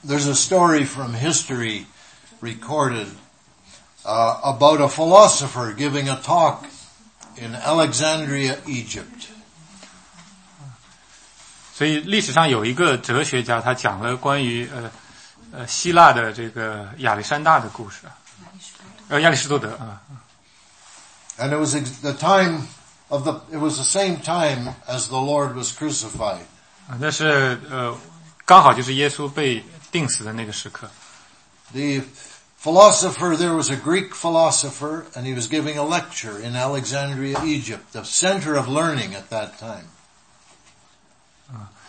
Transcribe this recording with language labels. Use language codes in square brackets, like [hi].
[en] There's a story from history recorded、about a philosopher giving a talk in Alexandria, Egypt. [zh] 所以历史上有一个哲学家，他讲了关于希腊的这个亚历山大的故事，亚里士多德啊。 [en] And it was the time of the, it was the same time as the Lord was crucified. [zh] 那是刚好就是耶稣被钉死的那个时刻。 [en] The philosopher, there was a Greek philosopher, and he was giving a lecture in Alexandria, Egypt, the center of learning at that time.